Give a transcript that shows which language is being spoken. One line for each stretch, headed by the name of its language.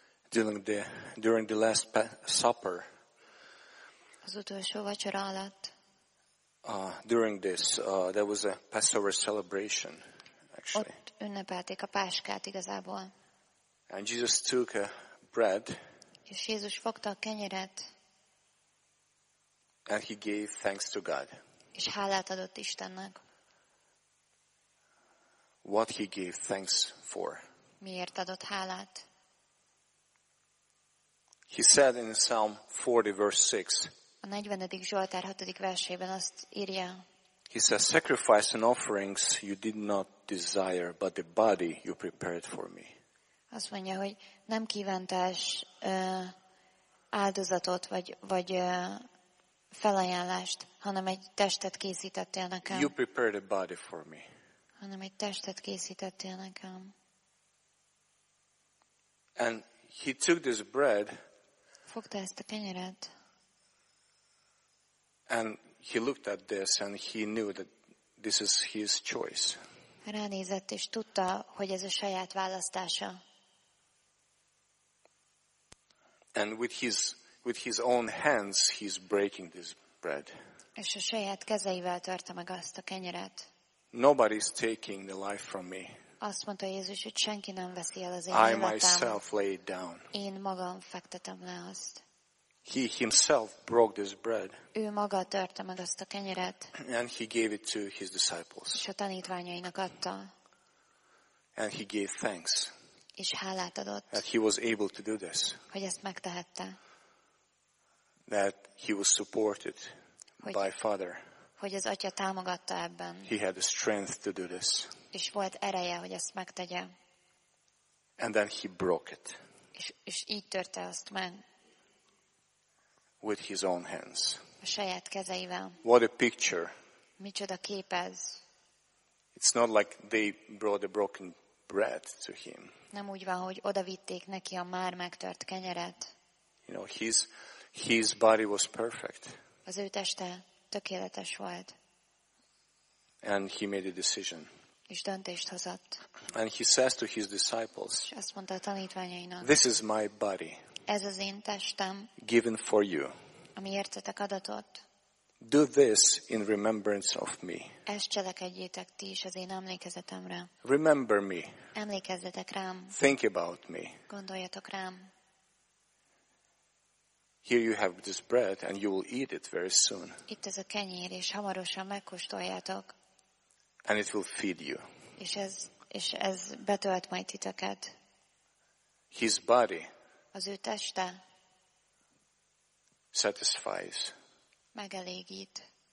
English: During the last supper,
Hungarian: az utolsó vacsora alatt,
English: during this, there was a Passover celebration, actually.
Hungarian: Ott ünnepelték a Páskát igazából.
English: And Jesus took a bread,
Hungarian: és Jézus fogta a kenyeret,
English: and he gave thanks to God.
Hungarian: És hálát adott Istennek.
English: What he gave thanks for?
Hungarian: Miért adott hálát?
English: He said in Psalm 40 verse 6.
Hungarian: A 40. Zsoltár 6. versében azt írja.
English: He says, "Sacrifice and offerings you did not desire, but the body you prepared for me."
Hungarian: Azt mondja, hogy nem kívántás áldozatot vagy felajánlást, hanem egy testet készítettél nekem.
English: You prepared a body for me.
Hungarian: Hanem egy testet készítettél nekem.
English: And he took this bread.
Hungarian: Fogta ezt a kenyeret.
English: And he looked at this and he knew that this is his choice.
Hungarian: Ránézett és tudta, hogy ez a saját választása.
English: And with his own hands he's breaking this bread.
Hungarian: És a saját kezeivel törte meg azt a kenyeret.
English: Nobody's taking the life from me.
Hungarian: Azt mondta Jézus, hogy senki nem veszi el az én életem.
English: I myself lay it down.
Hungarian: Én magam fektetem le azt.
English: He himself broke this bread.
Hungarian: Ő maga törte meg azt a kenyeret.
English: And he gave it to his disciples.
Hungarian: És a tanítványainak adta.
English: And he gave thanks.
Hungarian: És hálát adott.
English: That he was able to do this.
Hungarian: Hogy ezt megtehette.
English: That he was supported by Father.
Hungarian: Hogy az Atya támogatta ebben.
English: He had the strength to do this.
Hungarian: És volt ereje, hogy ezt megtegye.
English: And then he broke it.
Hungarian: És így törte azt meg.
English: With his own hands.
Hungarian: A saját kezeivel.
English: What a picture.
Hungarian: Micsoda kép ez.
English: It's not like they brought a broken bread to him.
Hungarian: Nem úgy van, hogy odavitték neki a már megtört kenyeret.
English: You know, his body was perfect.
Hungarian: Az ő teste tökéletes volt.
English: And he made a decision.
Hungarian: És döntést hozott.
English: And he says to his disciples,
Hungarian: és azt mondta a tanítványainak,
English: "This is my body,
Hungarian: ez az én testem,
English: given for you,
Hungarian: ami értetek adatot.
English: Do this in remembrance of me.
Hungarian: Ezt cselekedjétek ti is az én emlékezetemre.
English: Remember me.
Hungarian: Emlékezzetek rám.
English: Think about me.
Hungarian: Gondoljatok rám.
English: Here you have this bread, and you will eat it very soon.
Hungarian: Itt ez a kenyér, és hamarosan megkóstoljátok.
English: And it will feed you.
Hungarian: És ez betölt majd titeket.
English: His body.
Hungarian: Az ő teste.
English: Satisfies.
Hungarian: Megelégít.